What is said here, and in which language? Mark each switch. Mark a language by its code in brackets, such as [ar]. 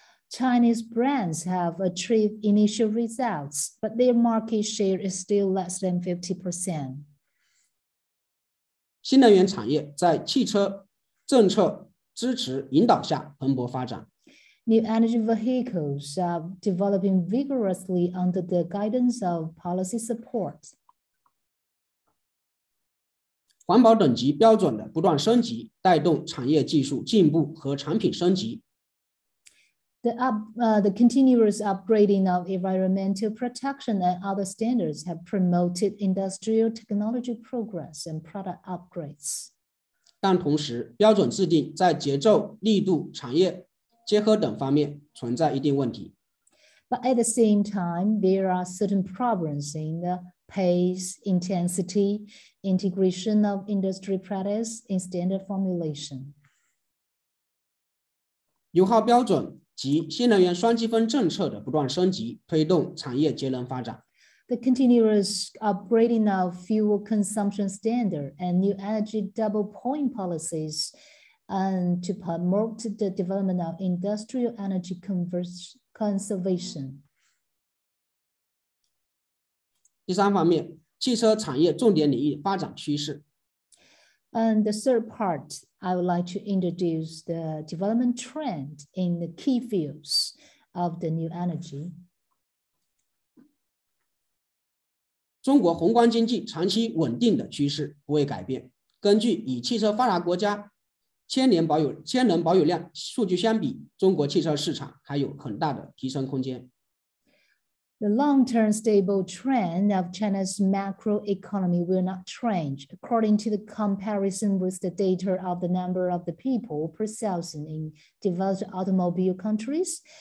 [en] Chinese brands have achieved initial results, but their market share is still less than 50%. [zh] 新能源产业在汽车政策支持引导下蓬勃发展。 [en] New energy vehicles are developing vigorously under the guidance of policy support. [zh] 环保等级标准的不断升级，带动产业技术进步和产品升级。 [en] The continuous upgrading of environmental protection and other standards have promoted industrial technology progress and product upgrades. [zh] 但同时，标准制定在节奏、力度、产业结合等方面存在一定问题。 [en] But at the same time, there are certain problems in the pace, intensity, integration of industry practice in standard formulation. [zh] 油耗标准及新能源双积分政策的不断升级，推动产业节能发展。 [en] The continuous upgrading of fuel consumption standard and new energy double point policies and to promote the development of industrial energy conservation. [zh] 第三方面，汽车产业重点领域发展趋势。 [en] And the third part, I would like to introduce the development trend in the key fields of the new energy. [zh] 中国宏观经济长期稳定的趋势不会改变。根据与汽车发达国家千年保有量数据相比，中国汽车市场还有很大的提升空间。 [en] The long-term stable trend of China's macroeconomy will not change, according to the comparison with the data of the number of the people per thousand in developed automobile countries.